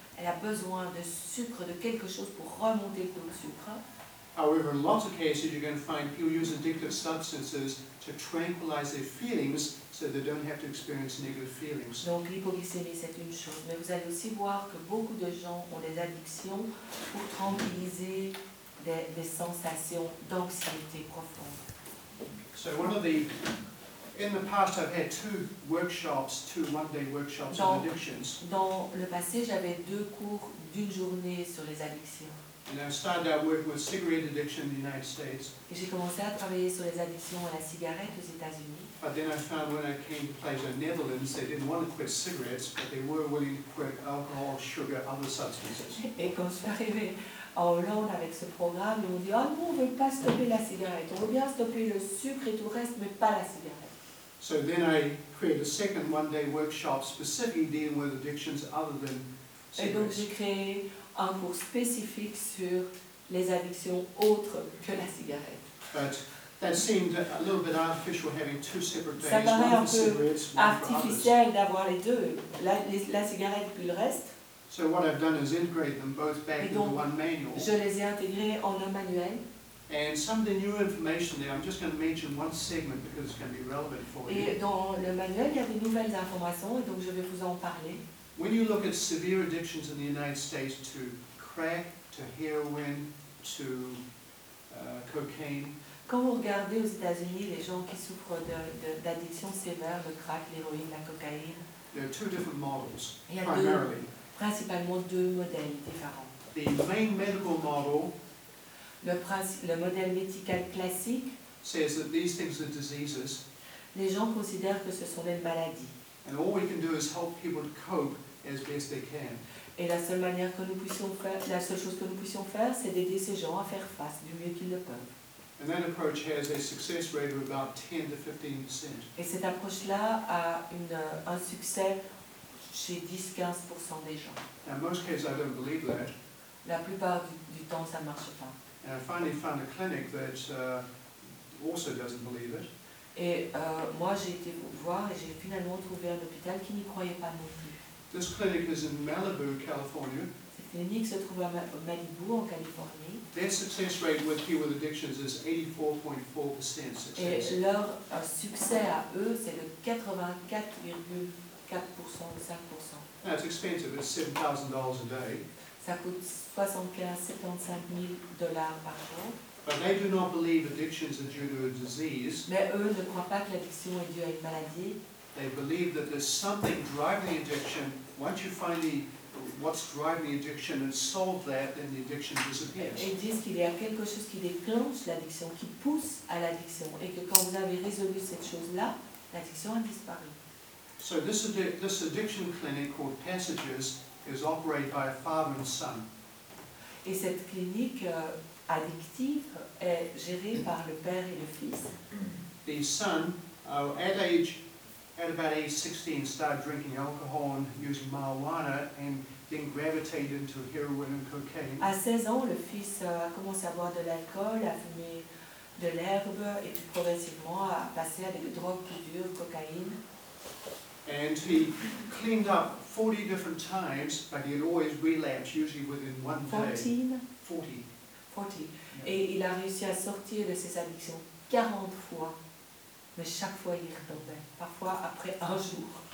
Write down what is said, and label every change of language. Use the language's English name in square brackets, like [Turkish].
[French] Elle a besoin de sucre, de quelque chose pour remonter le taux de sucre. [English] However, in lots of cases, you're going to find people use addictive substances to tranquilize their feelings so they don't have to experience negative feelings. [French] Donc l'hypoglycémie, c'est une chose, mais vous allez aussi voir que beaucoup de gens ont des addictions pour tranquilliser des sensations d'anxiété profonde. [English] So one of the, in the past, I've had two one-day workshops [French] donc, [English] on addictions. [French] Dans le passé, j'avais deux cours d'une journée sur les addictions. [English] And I started out working with cigarette addiction in the United States. [French] Et j'ai commencé à travailler sur les addictions à la cigarette aux États-Unis. [English] But then I found when I came to places in the Netherlands, they didn't want to quit cigarettes, but they were willing to quit alcohol, sugar, other substances. [French] Et quand je suis arrivé en Hollande avec ce programme, ils m'ont dit, oh non, on ne veut pas stopper la cigarette. On veut bien stopper le sucre et tout le reste, mais pas la cigarette. [English] So then I created a second one-day workshop specifically dealing with addictions other than cigarettes. [French] Et donc j'ai créé un cours spécifique sur les addictions autres que la cigarette. [English] But that seemed a little bit artificial having two separate days. [French] Ça paraît un peu artificiel d'avoir les deux, la cigarette puis le reste. [English] So what I've done is integrate them both back into one manual. [French] Je les ai intégrés en un manuel. [English] And some of the new information there, I'm just going to mention one segment because it's going to be relevant for [French] et [English] you. [French] Et dans le manuel, il y a des nouvelles informations, donc je vais vous en parler. [English] When you look at severe addictions in the United States to crack, to heroin, to cocaine. [French] Quand vous regardez aux États-Unis les gens qui souffrent d'addictions sévères, de crack, l'héroïne, la cocaïne. [English] There are two different models, primarily. [French] Principalement deux modèles différents. [English] The main medical model. [French] Le modèle médical classique. [English] Says that these things are diseases. [French] Les gens considèrent que ce sont des maladies. [English] And all we can do is help people to cope as best they can. [French] Et la seule manière que nous puissions faire, la seule chose que nous puissions faire, c'est d'aider ces gens à faire face du mieux qu'ils le peuvent. [English] And that approach has a success rate of about 10-15%. [French] Et cette approche-là a un succès chez 10-15% des gens. [English] Now, in most cases, I don't believe that. [French] La plupart du temps, ça ne marche pas. [English] And I finally found a clinic that also doesn't believe it. [French] Et moi, j'ai été voir et j'ai finalement trouvé un hôpital qui n'y croyait pas non plus. [English] This clinic is in Malibu, California. [French] Cette clinique se trouve à Malibu, en Californie. [English] Their success rate with people with addictions is 84.4% success. [French] Et leur succès à eux, c'est de 84,4% ou 5%. [English] Now, it's expensive. It's $7,000 a day. [French] Ça coûte 75 000 $ par jour. [English] But they do not believe addictions are due to a disease. [French] Mais eux ne croient pas que l'addiction est due à une maladie. [English] They believe that there's something driving the addiction. Once you find what's driving the addiction and solve that, then the addiction disappears. [French] Ils disent qu'il y a quelque chose qui déclenche l'addiction, qui pousse à l'addiction, et que quand vous avez résolu cette chose-là, l'addiction a disparu. [English] So this addiction clinic called Passages is operated by a father and son. [French] Et cette clinique addictive est géré par le père et le fils. [English] The son, at about age 16, started drinking alcohol and using marijuana, and then gravitated to heroin and cocaine. [French] À 16 ans, le fils a commencé à boire de l'alcool, à fumer de l'herbe, et puis progressivement a passé à des drogues plus dures, cocaïne. [English] And he cleaned up 40 different times, but he had always relapsed, usually within one day. 40. [French] Et il a réussi à sortir de ses addictions 40 fois. Mais chaque fois il retombait, parfois après un jour.